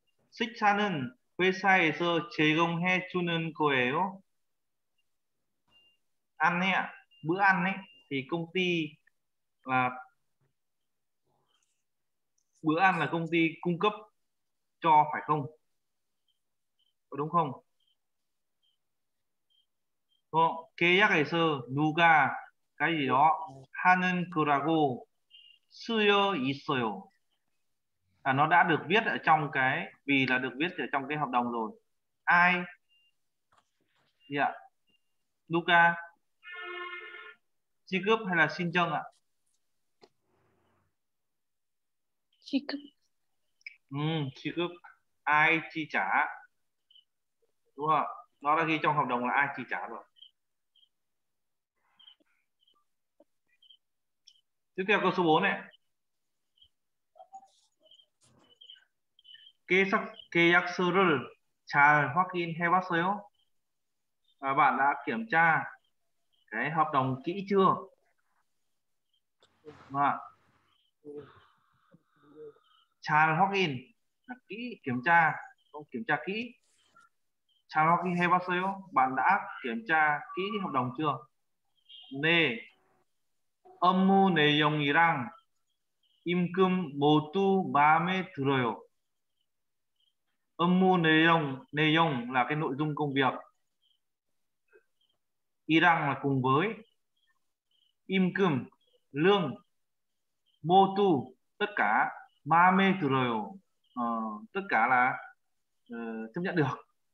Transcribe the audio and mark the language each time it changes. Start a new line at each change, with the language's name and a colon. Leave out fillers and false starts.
Korean: 식사는 회사에서 제공해 주는 거예요.
Vietnamese: Ăn ấy, bữa ăn ấy, thì công ty là bữa ăn là công ty cung cấp cho phải không? Có đúng không? Đúng không?
Korean: 계약에서 누가
Vietnamese: cái gì đó
Korean: 하는 거라고 쓰여 있어요.
Vietnamese: À, nó đã được viết ở trong cái, vì là được viết ở trong cái hợp đồng rồi. Ai? Dạ. Yeah. Luca. Chi cấp hay là xin chân ạ? Chi cấp. Chi cấp. Ai chi trả? Đúng không? Nó đã ghi trong hợp đồng là ai chi trả rồi. Tiếp theo câu số 4 này.
Korean: 계약서를 잘 확인해 봤어요?
Vietnamese: À, bạn đã kiểm tra cái hợp đồng kỹ chưa? À.
Korean: 잘 확인
Vietnamese: là kỹ, kiểm tra, không kiểm tra kỹ.
Korean: 잘 확인해 봤어요?
Vietnamese: Bạn đã kiểm tra kỹ hợp đồng chưa?
Korean: 네. 업무 내용이랑 임금 모두 마음에 들어요. 업무 내용, 내용
Vietnamese: là cái nội dung công việc.
Korean: 이랑
Vietnamese: là cùng với.
Korean: 임금,
Vietnamese: lương.
Korean: 모두,
Vietnamese: tất cả.
Korean: 마음에 들어요.
Vietnamese: Tất cả là chấp nhận được.